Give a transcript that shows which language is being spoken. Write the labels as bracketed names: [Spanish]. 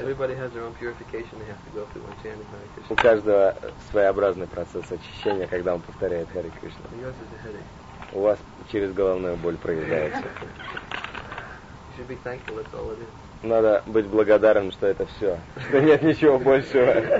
[English] Everybody has their own purification they have to go through when chanting Hare Krishna. [Russian] У каждого своеобразный процесс очищения, когда он повторяет Hare Krishna. [English] Yours is a headache. [Russian] У вас через головную боль проявляется. [English] You should be thankful that's all it is. [Russian] Надо быть благодарным, что это все. Что нет ничего большего.